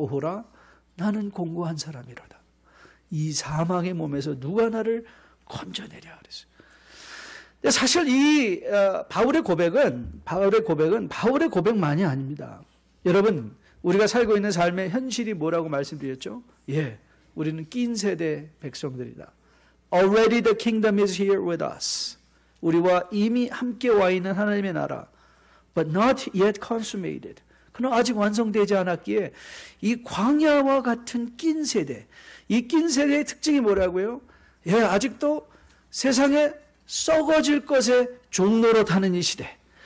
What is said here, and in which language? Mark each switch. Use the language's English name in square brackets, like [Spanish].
[Korean] 오호라, 나는 곤고한 사람이로다. 이 사망의 몸에서 누가 나를 건져내랴. 그랬어요. 사실 이 바울의 고백은 바울의 고백만이 아닙니다. 여러분, 우리가 살고 있는 삶의 현실이 뭐라고 말씀드렸죠? 예, 우리는 낀 세대 백성들이다. [English] Already the kingdom is here with us. [Korean] 우리와 이미 함께 와 있는 하나님의 나라, [English] but not yet consummated. [Korean] 그는 아직 완성되지 않았기에 이 광야와 같은 낀 세대, 이 낀 세대의 특징이 뭐라고요? 예, 아직도 세상에 썩어질 것에 종노릇하는 이 시대.